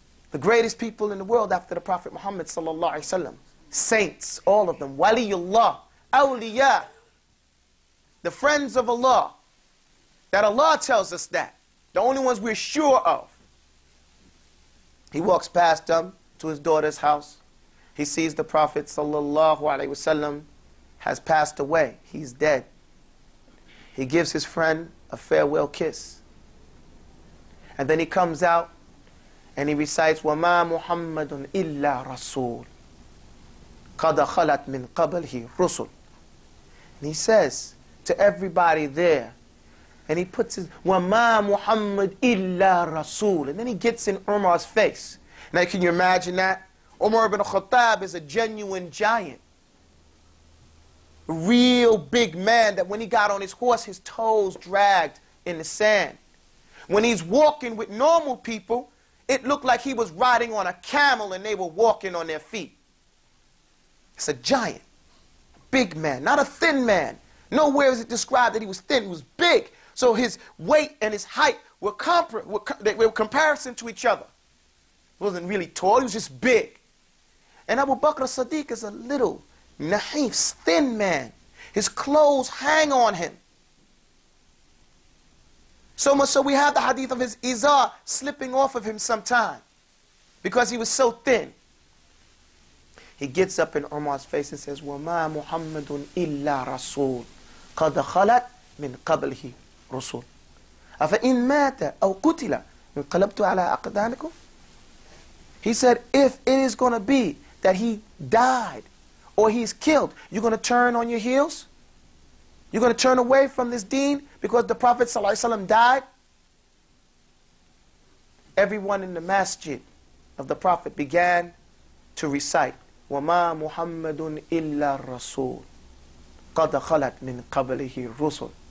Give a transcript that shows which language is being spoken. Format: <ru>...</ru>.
<en>The greatest people in the world after the Prophet Muhammad sallallahu alaihi wasallam, saints, all of them, waliyullah, awliya, the friends of Allah, that Allah tells us that, the only ones we're sure of. He walks past them to his daughter's house. He sees the Prophet sallallahu alaihi wasallam has passed away. He's dead. He gives his friend a farewell kiss. And then he comes out. And he recites,</en> <ar>وَمَا مُحَمَّدٌ إِلَّا رَسُولٌ قَدْ خَلَتْ مِنْ قَبْلِهِ رُسُولٌ.</ar> <en>And he says to everybody there, and he puts his,</en> <ar>وَمَا مُحَمَّدٌ إِلَّا رَسُولٌ.</ar> <en>And then he gets in Umar's face. Now can you imagine that? Umar ibn Khattab is a genuine giant. Real big man that when he got on his horse, his toes dragged in the sand. When he's walking with normal people, it looked like he was riding on a camel and they were walking on their feet. It's a giant, big man, not a thin man. Nowhere is it described that he was thin, he was big. So his weight and his height were comparison to each other. He wasn't really tall, he was just big. And Abu Bakr as-Siddiq is a little, naif, thin man. His clothes hang on him. So much so we have the hadith of his izar slipping off of him sometime because he was so thin. He gets up in Umar's face and says,</en> <ar>وَمَا مُحَمَّدٌ إِلَّا رَسُولٌ قَدْ خَلَتْ مِنْ قَبْلِهِ رُسُولٌ أَفَإِنْ مَاتَ أَوْ قُتِلَ انْقَلَبْتُ عَلَىٰ أَقْدَامِكُمْ.</ar> <en>He said, if it is going to be that he died or he's killed, you're going to turn on your heels? You're going to turn away from this deen because the Prophet ﷺ died? Everyone in the masjid of the Prophet began to recite,</en> <ar>وَمَا مُحَمَّدٌ إِلَّا الرَّسُولُ قَدْ خَلَتْ مِنْ قَبْلِهِ الرُّسُلُ.</ar>